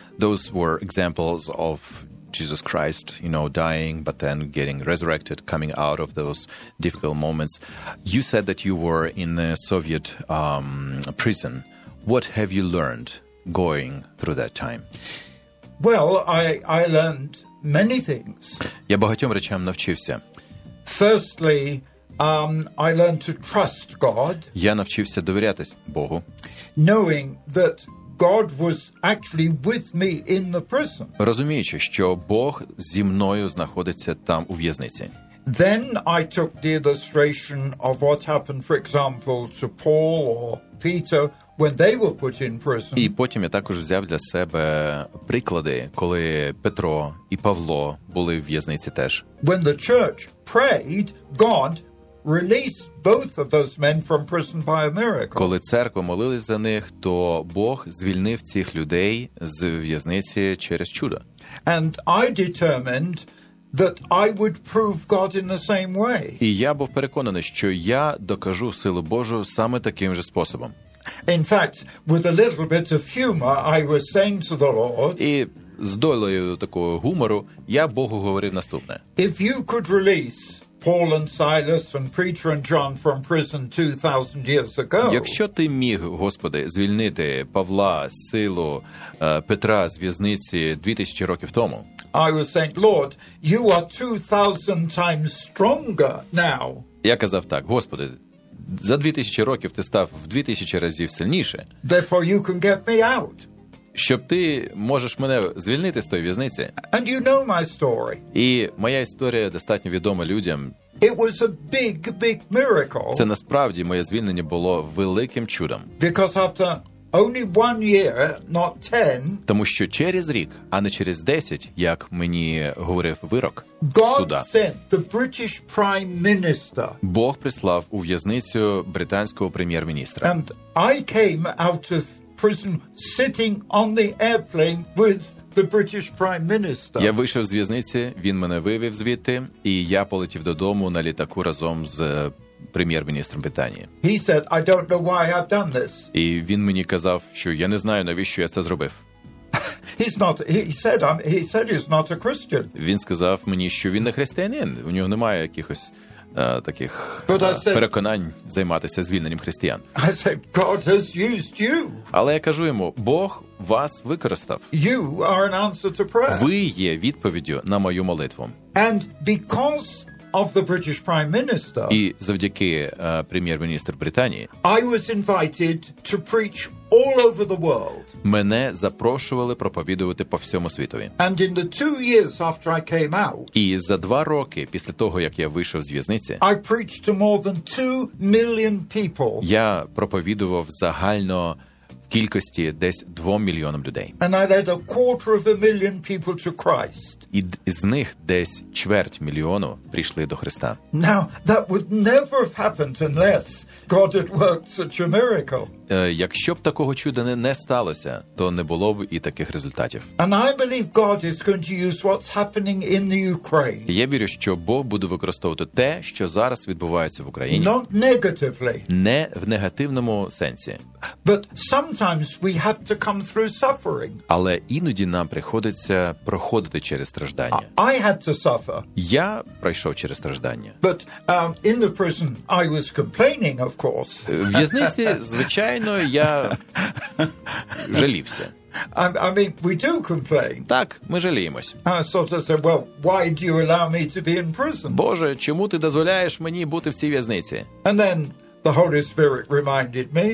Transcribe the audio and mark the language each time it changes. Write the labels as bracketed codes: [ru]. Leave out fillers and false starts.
[en] Those were examples of Jesus Christ, you know, dying, but then getting resurrected, coming out of those difficult moments. You said that you were in the Soviet prison. What have you learned going through that time? Well, I learned many things. [uk] Я багатьом речам навчився. [en] Firstly, I learned to trust God. [uk] Я навчився довіряти Богу. [en] Knowing that God was actually with me in the prison. [uk] Розуміючи, що Бог зі мною знаходиться там у в'язниці. [en] Then I took the illustration of what happened, for example, to Paul or Peter when they were put in prison. [uk] І потім я також взяв для себе приклади, коли Петро і Павло були в в'язниці теж. [en] When the church prayed, God release both of those men from prison by a miracle. [uk] Коли церква молилась за них, то Бог звільнив цих людей з в'язниці через чудо. [en] And I determined that I would prove God in the same way. [uk] І я був переконаний, що я докажу силу Божу саме таким же способом. [en] In fact, with a little bit of humor, I was saying to the Lord, [uk] і з долею такого гумору я Богу говорив наступне. [en] If you could release Paul and Silas and Peter and John from prison 2000 years ago. [uk] Якщо ти міг, Господи, звільнити Павла, Силу, Петра з в'язниці 2000 років тому. [en] I was saying, Lord, you are 2000 times stronger now. [uk] Я казав так: Господи, за 2000 років ти став в 2000 разів сильніше. [en] Therefore you can get me out. [uk] Щоб ти можеш мене звільнити з тої в'язниці. [en] And you know my story. [uk] І моя історія достатньо відома людям. [en] It was a big, big miracle. [uk] Це насправді моє звільнення було великим чудом. [en] Because after only one year, not 10, [uk] тому що через рік, а не через 10, як мені говорив вирок суда, [en] God sent the British Prime Minister. [uk] Бог прислав у в'язницю британського прем'єр-міністра. [en] And I came out of prison sitting on the airplane with the British Prime Minister. [uk] Я вийшов з в'язниці, він мене вивів звідти, і я полетів додому на літаку разом з прем'єр-міністром Британії. [en] He said, I don't know why I've done this. [uk] І він мені казав, що я не знаю, навіщо я це зробив. [en] He said he's not a Christian. [uk] Він сказав мені, що він не християнин, у нього немає якихось таких переконань займатися звільненням християн. [en] I said, God has used you. [uk] Але я кажу йому, Бог вас використав. [en] You are an answer to prayer. [uk] Ви є відповіддю на мою молитву. [en] And because of the British Prime Minister, [uk] і завдяки прем'єр-міністру Британії, [en] I was invited to preach all over the world. [uk] Мене запрошували проповідувати по всьому світові. [en] And in the 2 years after I came out, [uk] і за 2 роки після того, як я вийшов з в'язниці, [en] I preached to more than 2 million people. [uk] Я проповідував загально в кількості десь 2 мільйонам людей. [en] And I led a quarter of a million people to Christ. [uk] І з них десь 250 000 прийшли до Христа. [en] Now, that would never have happened unless God had worked such a miracle. [uk] Якщо б такого чуда не сталося, то не було б і таких результатів. [en] And I believe God is going to use what's happening in the Ukraine. [uk] Я вірю, що Бог буде використовувати те, що зараз відбувається в Україні. [en] Not negatively. [uk] Не в негативному сенсі. [en] But sometimes we have to come through suffering. [uk] Але іноді нам приходиться проходити через страждання. [en] I had to suffer. [uk] Я пройшов через страждання. [en] But in the prison I was complaining, of course. [uk] В в'язниці, звичайно, я жалівся. [en] I mean, we do complain. [uk] Так, ми жаліємось. [en] I sort of said, well, why do you allow me to be in prison? [uk] Боже, чому ти дозволяєш мені бути в цій в'язниці? [en] And then the Holy Spirit reminded me.